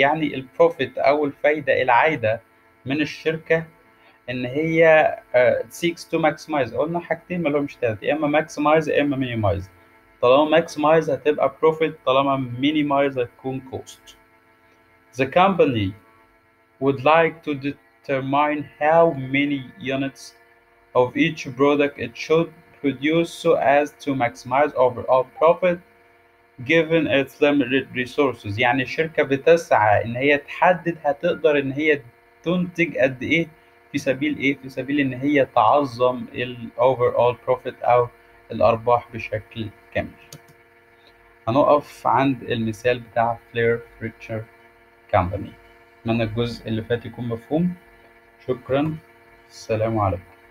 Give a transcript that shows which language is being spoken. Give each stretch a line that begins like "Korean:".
Arabic: يعني البروفيت او الفايدة العايدة من الشركة ان هي
English: seeks to maximize.
Arabic: قلنا حاجتين ما لهمش تلاتة, اما maximize اما minimize. طالما maximize هتبقى profit, طالما minimize هتكون cost.
English: The company would like to determine how many units of each product it should produce so as to maximize overall profit given its limited resources.
Arabic: يعني الشركة بتسعى ان هي تحدد هتقدر ان هي تنتج قد ايه في سبيل ايه, في سبيل ان هي تعظم الـ overall profit او الارباح بشكل كامل. هنقف عند المثال بتاع Flair Furniture Company. اتمنى الجزء اللي فات يكون مفهوم. شكرا, السلام عليكم.